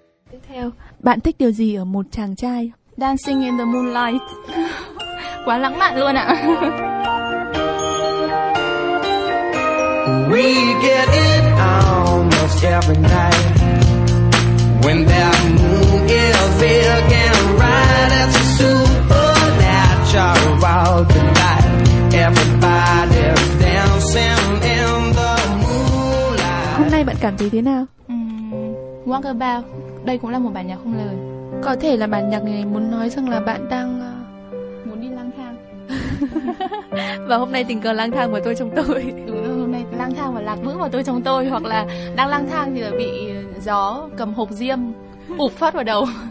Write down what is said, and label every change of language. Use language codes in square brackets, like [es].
[vi] Tiếp theo, bạn thích điều gì ở một chàng trai? [en] Dancing in the moonlight. [vi] Quá lãng mạn luôn ạ. [en] We get it almost every night. When that moon is again right at the supernatural tonight. Everybody's dancing in the moonlight. [vi] Hôm nay bạn cảm thấy thế nào? [en] Walk about. [vi] Đây cũng là một bản nhạc không lời. Có thể là bản nhạc này muốn nói rằng là bạn đang muốn đi lang thang. Và hôm nay tình cờ lang thang vào tôi trong tôi. Đúng rồi, hôm nay lang thang và lạc vững vào tôi trong tôi. Hoặc là đang lang thang thì là bị gió cầm hộp diêm ụp phát vào đầu.